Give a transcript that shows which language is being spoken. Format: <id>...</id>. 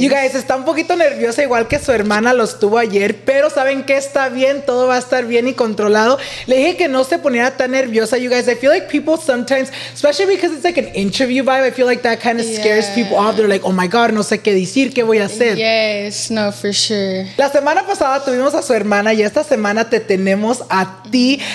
<en>You guys,</en> <es>está un poquito nerviosa, igual que su hermana lo estuvo ayer, pero saben que está bien, todo va a estar bien y controlado. Le dije que no se poniera tan nerviosa,</es> <en>you guys. I feel like people sometimes, especially because it's like an interview vibe, I feel like that kind of scares people off. They're like, oh my God,</en> <es>no sé qué decir, qué voy a hacer.</es> <en>Yes, no, for sure.</en> <es>La semana pasada tuvimos a su hermana y esta semana te tenemos a ti.</es>